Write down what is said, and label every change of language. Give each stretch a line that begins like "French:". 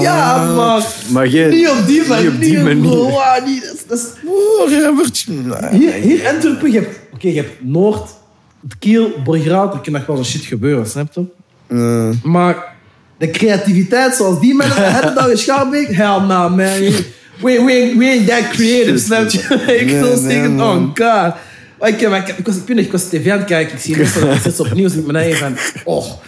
Dutch: Ja, maar geen, niet op die manier. Hier Antwerpen, je hebt Noord, het Kiel, Borgraat. Er kan nog wel zo'n shit gebeuren, snap je? Maar de creativiteit zoals die mensen hebben dan in Schaarbeek?
English: Hell no, man. We ain't that creative,
Dutch: snap je? Ik zou zeggen, oh god. Ik was tv aan het kijken. Ik zie dat het opnieuw is. Ik ben hier van, oh.